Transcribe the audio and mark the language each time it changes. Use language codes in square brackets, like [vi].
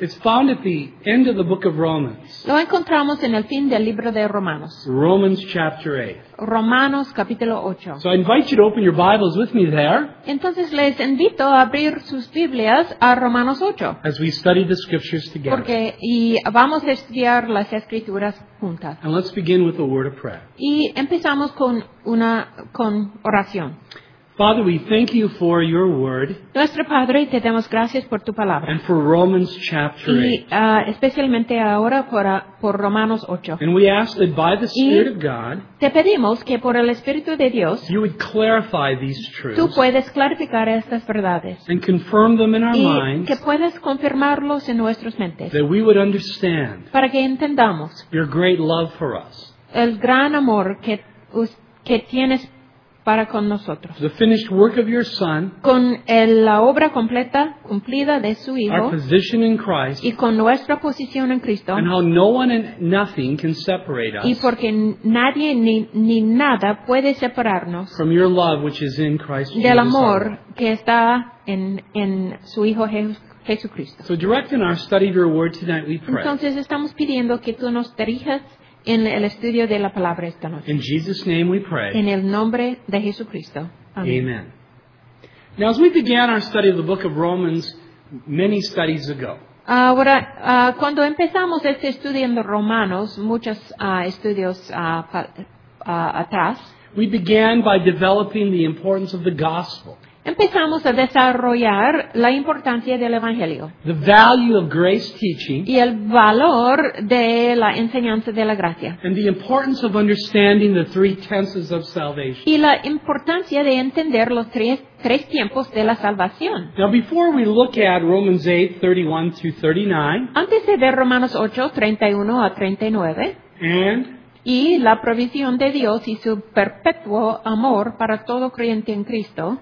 [en] It's found at the end of the book of Romans. [es] Lo encontramos en el fin del libro de Romanos. [en] Romans chapter 8. [es] Romanos capítulo 8. [en] So I invite you to open your Bibles with me there. [es] Entonces les invito a abrir sus Biblias a Romanos 8. [en] As we study the scriptures together. [es] Porque y vamos a estudiar las escrituras juntas. [en] And let's begin with a word of prayer. [es] Y empezamos con una con oración. [en] Father, we thank you for your word. [es] Nuestro Padre, te damos gracias por tu palabra. [en] And for Romans chapter 8. [es] Y especialmente ahora por Romanos 8. [en] And we ask that by the Spirit of God, [es] te pedimos que por el Espíritu de Dios, [en] you would clarify these truths. [es] Tú puedes clarificar estas verdades. [en] And confirm them in our [es] y [en] minds. [es] Y que puedas confirmarlos en nuestras mentes. [en] That we would understand. [es] Para que entendamos. [en] Your great love for us. [es] El gran amor que tienes para con nosotros. [en] The finished work of your son, [es] con la obra completa cumplida de su hijo, [en] our position in Christ, [es] y con nuestra posición en Cristo, [en] and how no one and nothing can separate us, [es] y porque nadie ni nada puede separarnos, [en] from your love which is in Christ Jesus. [es] Del amor que está en su hijo Jesucristo. [en] So direct in our study of your word tonight, we pray. [es] Entonces estamos pidiendo que tú nos dirijas en el estudio de la palabra esta noche. [en] In Jesus' name we pray. [es] En el nombre de Jesucristo. Amén. [en] Amen. Now, as we began our study of the book of Romans many studies ago. [es] Ahora, cuando empezamos este estudio en Romanos, muchos estudios atrás. [en] We began by developing the importance of the gospel. [es] Empezamos a desarrollar la importancia del Evangelio. [en] The value of grace teaching. [es] Y el valor de la enseñanza de la gracia. [en] And the importance of understanding the three tenses of salvation. [es] Y la importancia de entender los tres tiempos de la salvación. [en] Now before we look at Romans 8, 31 to 39. [es] Antes de ver Romanos 8, 31 a 39. [en] And [es] y la provisión de Dios y su perpetuo amor para todo creyente en Cristo.